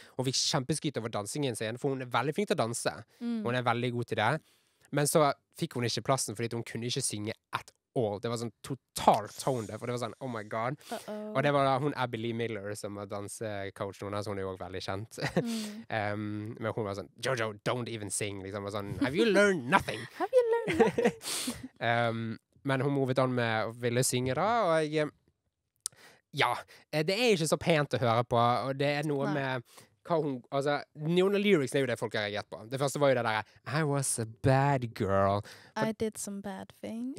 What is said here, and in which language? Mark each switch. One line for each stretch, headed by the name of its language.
Norwegian: Hun fikk kjempeskryt over dansingen sin, for hun er veldig flink til å danse. Mm. Hun er veldig god til det. Men så fikk hun ikke plassen, fordi hun kunne ikke synge
English: et all.
Norwegian: Det var sånn totalt tone, for det var sånn,
English: oh my god. Uh-oh.
Norwegian: Og det var da hun Abby Lee Miller, som var dansecoach noen av, så hun er jo også veldig kjent. Mm. Men hun var sånn, Jojo,
English: don't even sing,
Norwegian: liksom, og sånn,
English: have you learned nothing? Have you learned nothing?
Norwegian: men hun movet an med å ville synge da, og ja, det er ikke så pent å høre på, og det er noe med hva hun, altså, noen av lyrics er jo det folk har reagert på. Det første var jo det der,
English: I was a bad girl. I did some bad things.